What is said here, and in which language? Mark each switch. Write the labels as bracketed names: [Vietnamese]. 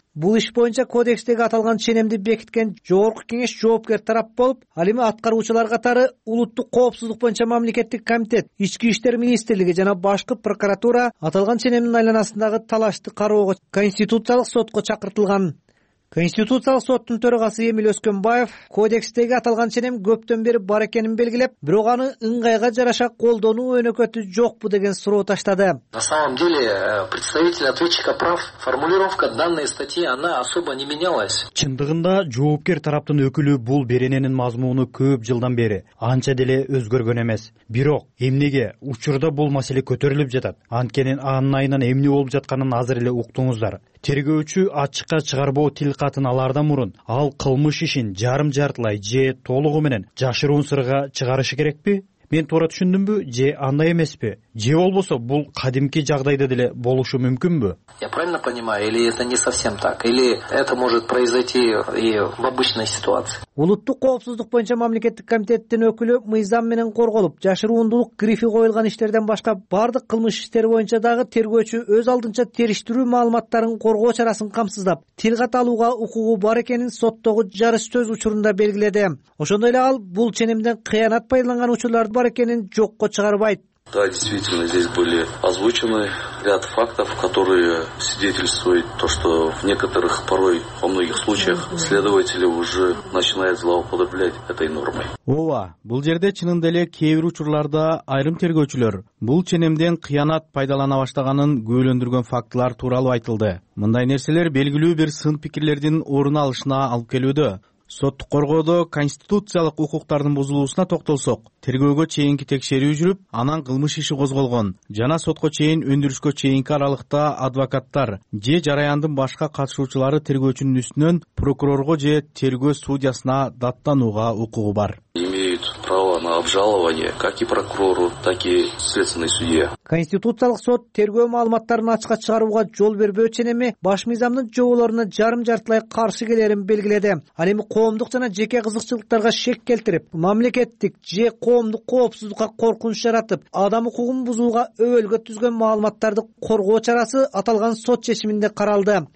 [Kyrgyz] Бул иш боюнча кодекстеги аталган ченемди бекиткен жогорку кеңеш жоопкер тарап болуп, ал эми аткаруучулар катары улуттук коопсуздук боюнча мамлекеттик комитет, ички иштер министрлиги жана башкы прокуратура аталган ченемдин айланасындагы талашты кароого конституциялык сотко чакыртылган. Конституциялык соттун төрагасы Эмил Өскөнбаев кодекстеги аталган ченем көптөн бери бар экенин белгилеп, бирок аны ыңгайга жараша колдонуу өнөкөтү жокпу деген суроо таштады. [Russian] На самом деле представитель ответчика прав, формулировка данной статьи она особо не менялась. [Kyrgyz] Чындыгында жоопкер тараптын өкүлү бул беренен мазмуну көп жылдан бери анча деле өзгөргөн эмес. Бирок эмнеге учурда бул маселе көтөрүлүп жатат? Анткени анын айынан эмне болуп жатканын азыр эле уктуңуздар. Тергөөчү ачыкка чыгарбоо тил катын алардан мурун ал кылмыш ишин жарым жартылай же толугу менен жашыруун сырга чыгарышы керекпи? Мен туура түшүндүмбү же андай эмеспи? Же болбосо бул кадимки жагдайда деле болушу мүмкүнбү? [Russian] Я правильно понимаю, или это не совсем так, или это может произойти и в обычной ситуации? [Kyrgyz] Улуттук коопсуздук боюнча мамлекеттик комитеттин өкүлү мыйзам менен корголуп, жашыруундук грифи коюлган иштерден башка бардык кылмыш иштери боюнча дагы тергөөчү өз алдынча териштирүү маалыматтарын коргоо чарасын камсыздап, тилгат алууга укугу бар экенин соттогу жарыш сөз учурунда белгиледи. Ошондой эле ал бул ченемден кыянат пайдаланган учурлар бар экенин жокко чыгарбайт. [Russian] Да, действительно, здесь были озвучены ряд фактов, которые свидетельствуют то, что в некоторых, порой, во многих случаях, следователи уже начинают злоупотреблять этой нормой. [Kyrgyz] Ооба, бул жерде чынында эле кээ бир учурларда айрым тергөөчүлөр бул ченемден кыянат пайдалана баштаганын күбөлөндүргөн фактылар тууралуу айтылды. Мындай нерселер белгилүү бир сын пикирлердин орун алышына алып келүүдө. Соттук коргоодо конституциялык укуктардын бузулуусуна токтолсок, тергөөгө чейинки текшерүү жүрүп, анан кылмыш иши козголгон жана сотко чейин өндүрүшкө чейинки аралыкта адвокаттар же жараяндын башка катышуучулары тергөөчүнүн үстүнөн прокурорго же тергөө судьясына даттанууга укугу бар. [Russian] Право на обжалование как и прокурору, так и следственной судье. [Kyrgyz] Конституциялык сот тергөө маалыматтарын ачыкка чыгарууга жол бербөө ченеми баш мыйзамдын жоболоруна жарым-жартылай каршы келерин белгиледи. Ал эми коомдук жана жеке кызыкчылыктарга шек келтирип, мамлекеттик же коомдук коопсуздукка коркунуч жаратып, адам укугун бузууга өбөлгө түзгөн маалыматтарды коргоо чарасы аталган сот чечиминде каралды.